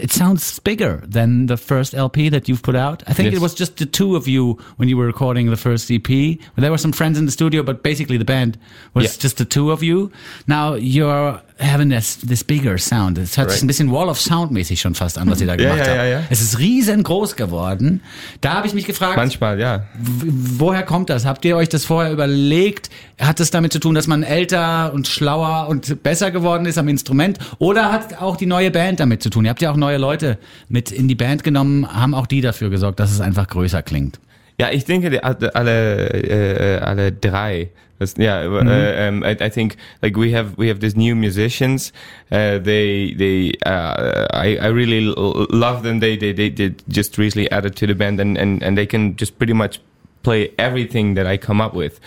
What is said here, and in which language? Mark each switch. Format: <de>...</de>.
<en>It sounds bigger than the first LP that you've put out. I think it was just the two of you when you were recording the first EP. There were some friends in the studio, but basically the band was just the two of you. Now you're having this bigger sound.</en> <de>Es hört sich ein bisschen Wall of Sound mäßig schon fast an, was ihr da gemacht habt. Ja. Es ist riesengroß geworden. Da habe ich mich gefragt, manchmal, ja. Woher kommt das? Habt ihr euch das vorher überlegt? Hat es damit zu tun, dass man älter und schlauer und besser geworden ist am Instrument? Oder hat auch die neue Band damit zu tun? Ihr habt ja auch neue Leute mit in die Band genommen. Haben auch die dafür gesorgt, dass es einfach größer klingt? Ja, ich denke, alle drei.</de> <en>Yeah, I think like we have these new musicians. I really love them. They just recently added to the band and they can just pretty much play everything that I come up with.</en>